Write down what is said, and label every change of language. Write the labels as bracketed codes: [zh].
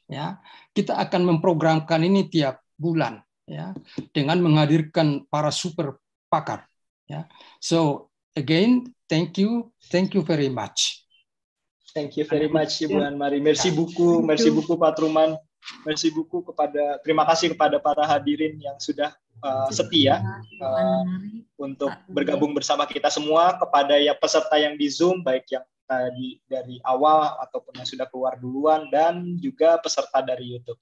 [id] Ya, kita akan memprogramkan ini tiap bulan ya dengan menghadirkan para super pakar. [en] Ya, so again, thank you very much. Thank you very much, Ibu Anmari. [fr] Merci beaucoup, [en] Pak Truman. [fr] Merci beaucoup [id] terima kasih kepada para hadirin yang sudah setia untuk bergabung bersama kita semua, kepada ya peserta yang di Zoom, baik yang tadi dari awal ataupun yang sudah keluar duluan, dan juga peserta dari YouTube.